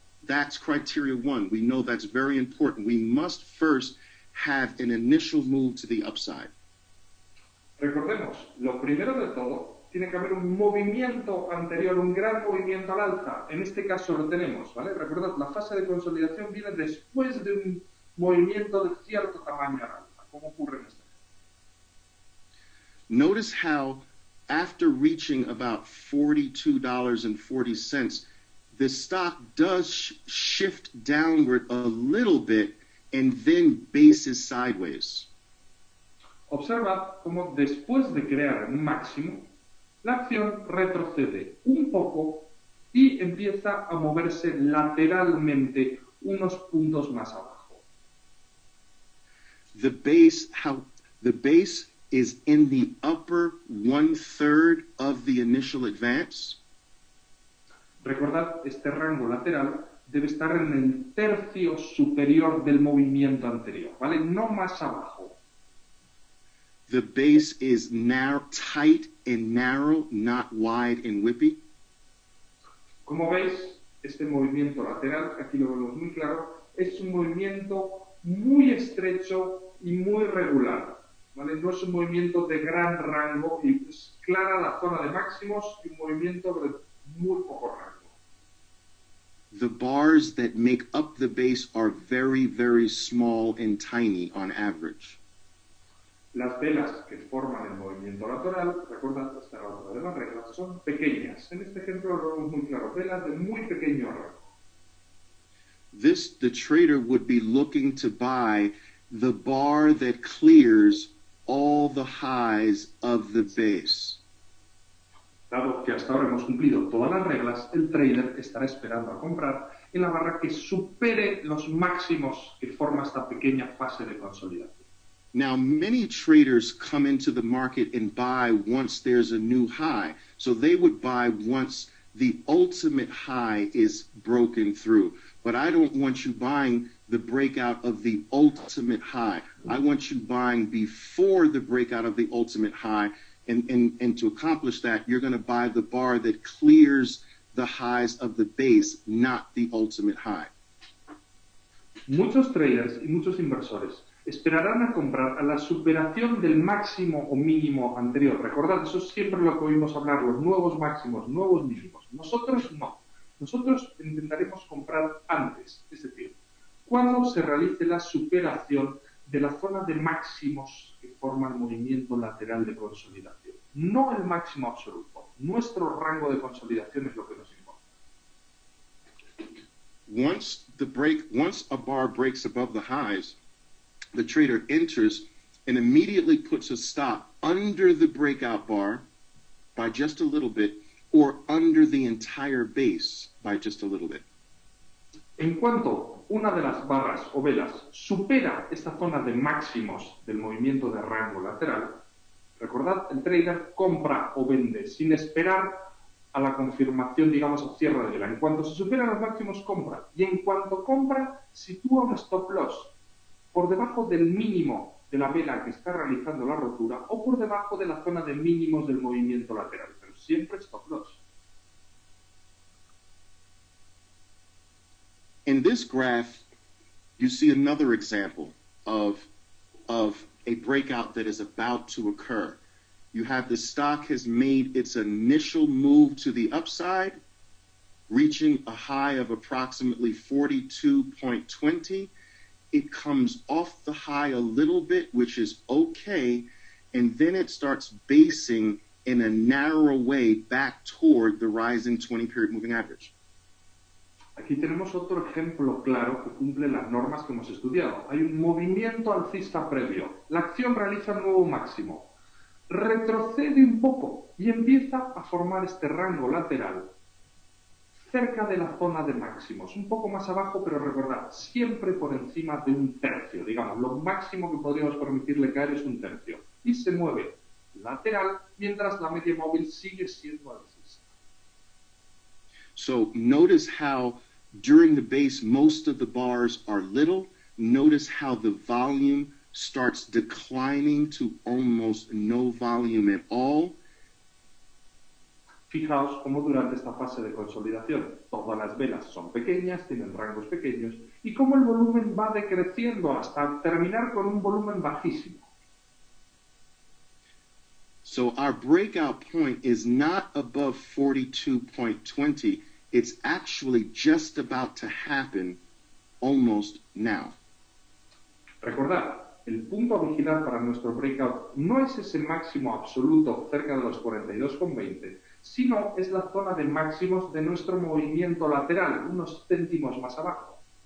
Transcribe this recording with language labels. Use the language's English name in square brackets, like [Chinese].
[English] That's criteria one. We know that's very important. We must first have an initial move to the upside. [Spanish] Recordemos, lo primero de todo, tiene que haber un movimiento anterior, un gran movimiento al alza. En este caso lo tenemos, ¿vale? Recordad, la fase de consolidación viene después de un movimiento de cierto tamaño al alza, como ocurre en este caso. [English] Notice how, after reaching about $42.40, the stock does shift downward a little bit and then bases sideways. [Spanish] Observa cómo después de crear un máximo, la acción retrocede un poco y empieza a moverse lateralmente unos puntos más abajo. [English] The base is in the upper one-third of the initial advance. [Spanish] Recordad, este rango lateral debe estar en el tercio superior del movimiento anterior, ¿vale? No más abajo. [English] The base is narrow, tight and narrow, not wide and whippy. [Spanish] Como veis, este movimiento lateral, aquí lo vemos muy claro, es un movimiento muy estrecho y muy regular. ¿Vale? No es un movimiento de gran rango y es clara la zona de máximos y un movimiento de muy poco rango. [English] The bars that make up the base are very, very small and tiny on average. [Spanish] Las velas que forman el movimiento lateral, recuerdan hasta la otra de las reglas, son pequeñas. En este ejemplo lo vemos muy claro, velas de muy pequeño rango. [English] This, the trader would be looking to buy the bar that clears all the highs of the base. [Spanish] Dado que hasta ahora hemos cumplido todas las reglas, el trader estará esperando a comprar en la barra que supere los máximos que forma esta pequeña fase de consolidación. [English] Now, many traders come into the market and buy once there's a new high. So they would buy once the ultimate high is broken through. But I don't want you buying the breakout of the ultimate high. I want you buying before the breakout of the ultimate high. And to accomplish that, you're going to buy the bar that clears the highs of the base, not the ultimate high. [Spanish] Muchos traders y muchos inversores esperarán a comprar a la superación del máximo o mínimo anterior. Recordad, eso es siempre lo que oímos hablar, los nuevos máximos, nuevos mínimos. Nosotros no. Nosotros intentaremos comprar antes, es decir, cuando se realice la superación de la zona de máximos que forma el movimiento lateral de consolidación. No el máximo absoluto. Nuestro rango de consolidación es lo que nos importa. [English] Once a bar breaks above the highs, the trader enters and immediately puts a stop under the breakout bar by just a little bit, or under the entire base by just a little bit. [Spanish] En cuanto una de las barras o velas supera esta zona de máximos del movimiento de rango lateral, recordad, el trader compra o vende sin esperar a la confirmación, digamos, al cierre de vela. En cuanto se superan los máximos, compra. Y en cuanto compra, sitúa un stop loss por debajo del mínimo de la vela que está realizando la rotura o por debajo de la zona de mínimos del movimiento lateral. Pero siempre stop loss. [English] In this graph, you see another example of a breakout that is about to occur. You have the stock has made its initial move to the upside, reaching a high of approximately 42.20. It comes off the high a little bit, which is okay, and then it starts basing in a narrow way back toward the rising 20 period moving average. [Spanish] Aquí tenemos otro ejemplo claro que cumple las normas que hemos estudiado. Hay un movimiento alcista previo. La acción realiza un nuevo máximo. Retrocede un poco y empieza a formar este rango lateral cerca de la zona de máximos. Un poco más abajo, pero recordad, siempre por encima de un tercio. Digamos, lo máximo que podríamos permitirle caer es un tercio. Y se mueve lateral mientras la media móvil sigue siendo alcista. [English] So notice how during the base most of the bars are little. Notice how the volume starts declining to almost no volume at all. [Spanish] Fijaos cómo durante esta fase de consolidación todas las velas son pequeñas, tienen rangos pequeños, y cómo el volumen va decreciendo hasta terminar con un volumen bajísimo. [English] So our breakout point is not above 42.20. It's actually just about to happen almost now. [Spanish] Recordad, el punto a vigilar para nuestro breakout no es ese máximo absoluto cerca de los 42,20, sino es la zona de máximos de nuestro movimiento lateral, unos céntimos más abajo.